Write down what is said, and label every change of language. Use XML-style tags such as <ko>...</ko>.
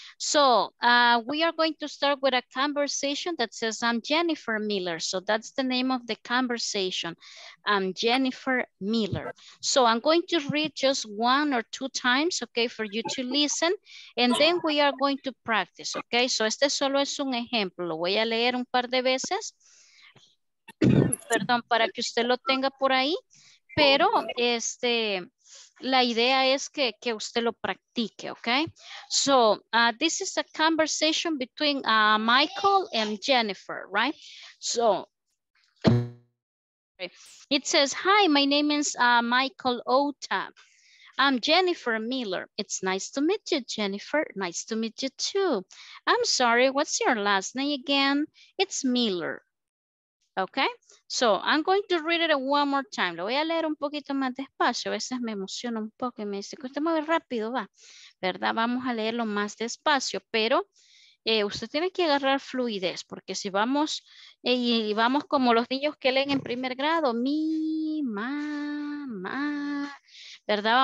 <en>So we are going to start with a conversation that says, I'm Jennifer Miller. So that's the name of the conversation. I'm Jennifer Miller. So I'm going to read just one or two times, okay, for you to listen. And then we are going to practice, okay?</en> <es>So este solo es un ejemplo. Voy a leer un par de veces. Perdón, para que usted lo tenga por ahí, pero este, la idea es que usted lo practique, ok.</es> <en>So, this is a conversation between Michael and Jennifer, right? So, it says, hi, my name is Michael Ota. I'm Jennifer Miller. It's nice to meet you, Jennifer. Nice to meet you too. I'm sorry, what's your last name again? It's Miller. Okay, so I'm going to read it one more time.</en> <es>Lo voy a leer un poquito más despacio. A veces me emociono un poco y me dice que usted mueve rápido, va. ¿Verdad? Vamos a leerlo más despacio, pero usted tiene que agarrar fluidez, porque si vamos y vamos como los niños que leen en primer grado, mi mamá, ¿verdad?</es>